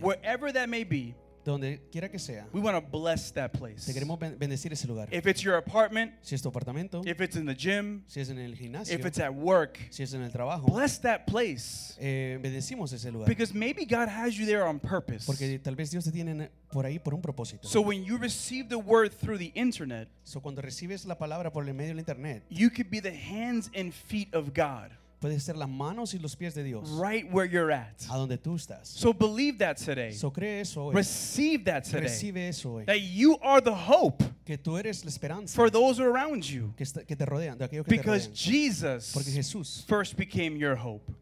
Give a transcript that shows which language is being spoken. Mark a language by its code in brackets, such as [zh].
[en] wherever that may be. [es] Donde quiera que sea. [en] We want to bless that place. [es] Te queremos bendecir ese lugar. [en] If it's your apartment, [es] si es tu apartamento, [en] if it's in the gym, [es] si es en el gimnasio, [en] if it's at work, [es] si es en el trabajo, [en] bless that place. [es] Bendecimos ese lugar. [en] Because maybe God has you there on purpose. [es] Porque tal vez Dios te tiene por ahí por un propósito. [en] So when you receive the word through the internet, [es] so cuando recibes la palabra por el medio del internet, [en] you could be the hands and feet of God. [es] Puedes ser las manos y los pies de Dios. [en] Right where you're at. [es] A donde tú estás. [en] So believe that today. [es] So cree eso hoy. [en] Receive that today. [es] Recibe eso hoy. [en] That you are the hope. [es] Que tú eres la esperanza. [en] For those around you. [es] Que te rodean, de aquello que [en] because [es] te rodean. [en] Jesus. [es] Porque Jesús. [en] First became your hope.